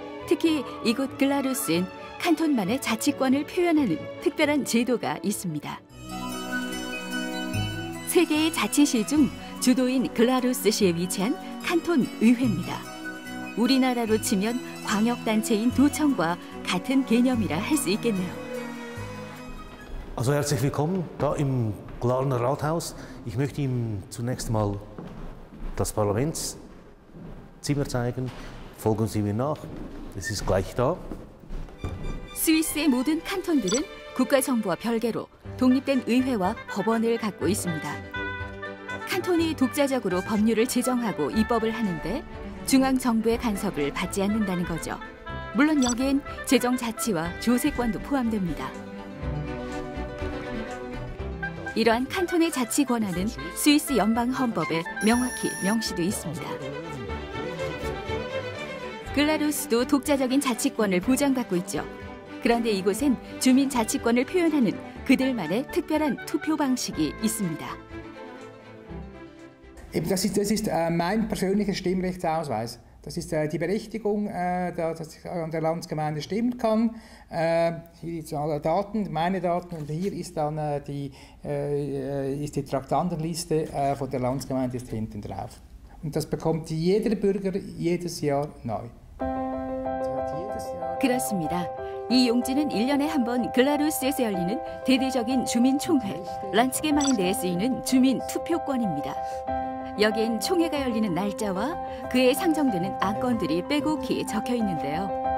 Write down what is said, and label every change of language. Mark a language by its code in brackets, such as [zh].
[ko] 특히 이곳 글라루스엔 칸톤만의 자치권을 표현하는 특별한 제도가 있습니다. 세계의 자치시 중 주도인 글라루스시에 위치한 칸톤 의회입니다. 우리나라로 치면 광역단체인 도청과 같은 개념이라 할 수 있겠네요. [de] Also herzlich willkommen da im Glarner Rathaus. Ich möchte Ihnen zunächst mal das Parlamentszimmer zeigen. Folgen Sie mir nach. Es ist gleich da. [ko] 스위스의 모든 칸톤들은 국가 정부와 별개로 독립된 의회와 법원을 갖고 있습니다. 칸톤이 독자적으로 법률을 제정하고 입법을 하는데 중앙 정부의 간섭을 받지 않는다는 거죠. 물론 여기엔 재정 자치와 조세권도 포함됩니다. 이러한 칸톤의 자치 권한은 스위스 연방 헌법에 명확히 명시되어 있습니다. 글라루스도 독자적인 자치권을 보장받고 있죠. 그런데 이곳엔 주민 자치권을 표현하는 그들만의 특별한 투표 방식이 있습니다. [de] Das ist mein persönlicher Stimmrechtsausweis. Das ist die Berechtigung, dass ich an der Landsgemeinde stimmen kann. Hier sind alle Daten, meine Daten, und hier ist dann die Traktandenliste von der Landsgemeinde ist hinten drauf. Und das bekommt jeder Bürger jedes Jahr neu. [ko] 그렇습니다. 이 용지는 1년에 한 번 글라루스에서 열리는 대대적인 주민 총회, 란츠게마인드에 쓰이는 주민 투표권입니다. 여기엔 총회가 열리는 날짜와 그에 상정되는 안건들이 빼곡히 적혀 있는데요.